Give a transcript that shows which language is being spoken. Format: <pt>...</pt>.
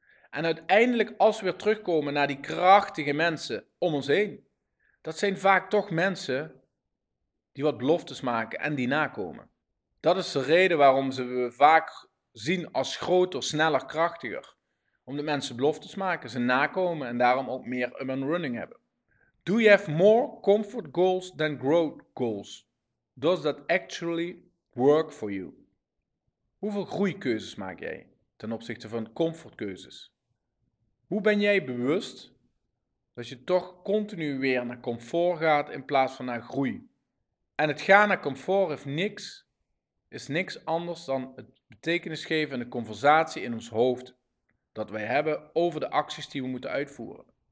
<nl>En uiteindelijk, als we weer terugkomen naar die krachtige mensen om ons heen, dat zijn vaak toch mensen die wat beloftes maken en die nakomen. Dat is de reden waarom ze we vaak zien als groter, sneller, krachtiger. Omdat mensen beloftes maken, ze nakomen en daarom ook meer</nl> <en>up and running</en> <nl>hebben.</nl> <en>Do you have more comfort goals than growth goals? Does that actually work for you?</en> <nl>Hoeveel groeikeuzes maak jij ten opzichte van comfortkeuzes? Hoe ben jij bewust dat je toch continu weer naar comfort gaat in plaats van naar groei? En het gaan naar comfort heeft niks, is niks anders dan het betekenis geven en de conversatie in ons hoofd dat wij hebben over de acties die we moeten uitvoeren.</nl>